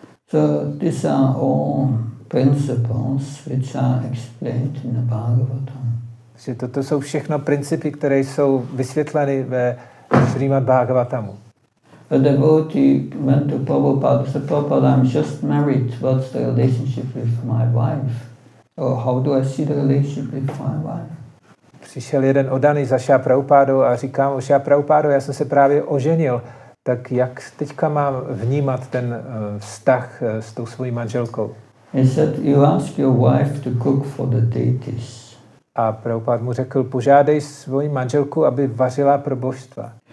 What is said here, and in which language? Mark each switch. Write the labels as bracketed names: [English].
[English] So these are all principles which are explained in the Bhagavatam. [Czech] Že toto jsou všechno principy, které jsou vysvětleny ve Srimad Bhagavatamu. [English] A devotee went to Prabhupada, said, Prabhupada, I'm just married. What's the relationship with my wife? Or how do I see the relationship with my wife? [Czech] Přišel jeden oddaný za Šá Prabhupádou a říká mu, Šá Prabhupádo, já jsem se právě oženil, tak jak teďka mám vnímat ten vztah s tou svojí manželkou? [English] He said, you ask your wife to cook for the deities. [Czech] A Prabhupád mu řekl, požádej svoji manželku, aby vařila pro božstva.